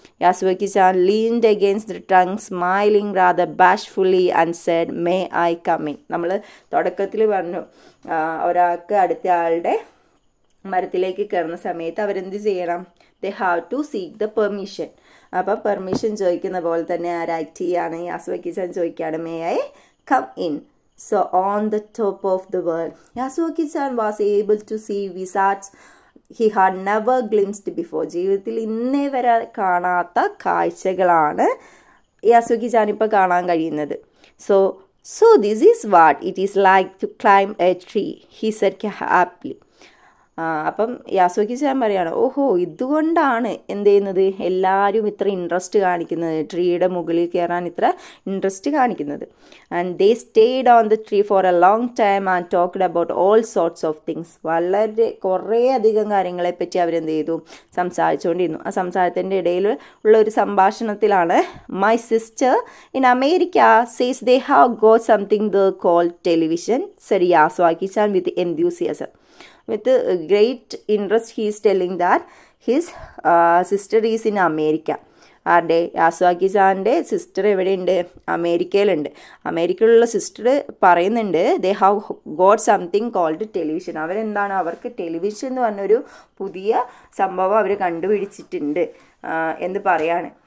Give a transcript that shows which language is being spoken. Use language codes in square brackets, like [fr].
[en] Yasuaki-chan leaned against the trunk smiling rather bashfully and said may I come in. [ml] നമ്മൾ തുടക്കത്തിൽ പറഞ്ഞു ഒരാൾക്ക് അടുത്ത ആളുടെ മരത്തിലേക്ക് കയറുന്ന സമയത്ത് അവരെന്ത് ചെയ്യണം, [en] They have to seek the permission. [ml] അപ്പം പെർമിഷൻ ചോദിക്കുന്ന പോലെ തന്നെ ആ റൈറ്റ് ചെയ്യാണ് യാസുവക്കിചാൻ ചോദിക്കുകയാണ്, [en] May I come in. So on the top of the world, Yasuo-chan was able to see visages he had never glimpsed before. [ml] ജീവിതത്തിൽ ഇന്നേ വരെ കാണാത്ത കാഴ്ചകളാണ് യാസുവക്കിചാൻ ഇപ്പോൾ കാണാൻ കഴിയുന്നത്. [en] So this is what it is like to climb a tree, he said happily. [ml] അപ്പം യാസുവക്കിചാൻ പറയുകയാണ്, ഓഹോ ഇതുകൊണ്ടാണ് എന്ത് ചെയ്യുന്നത്, എല്ലാവരും ഇത്ര ഇൻട്രസ്റ്റ് കാണിക്കുന്നത്, ട്രീയുടെ മുകളിൽ കയറാൻ ഇത്ര ഇൻട്രസ്റ്റ് കാണിക്കുന്നത്. [en] And they stayed on the tree for a long time and talked about all sorts of things. [ml] വളരെ കുറേ അധികം കാര്യങ്ങളെപ്പറ്റി അവരെന്ത് ചെയ്തു, സംസാരിച്ചുകൊണ്ടിരുന്നു. ആ സംസാരത്തിൻ്റെ ഇടയിൽ ഉള്ള ഒരു സംഭാഷണത്തിലാണ് [en] My sister in America says they have got something the call television said Yasuaki-chan with enthusiasm. With great interest, he is telling that his sister is in America. [ml] ആരുടെ, യാസുവാക്കിചാൻ്റെ സിസ്റ്റർ എവിടെയുണ്ട്, അമേരിക്കയിലുണ്ട്. അമേരിക്കയിലുള്ള സിസ്റ്റർ പറയുന്നുണ്ട് [en] They have got something called television. [ml] അവരെന്താണ്, അവർക്ക് television എന്ന് പറഞ്ഞൊരു പുതിയ സംഭവം അവർ കണ്ടുപിടിച്ചിട്ടുണ്ട് എന്ന് പറയാണ്.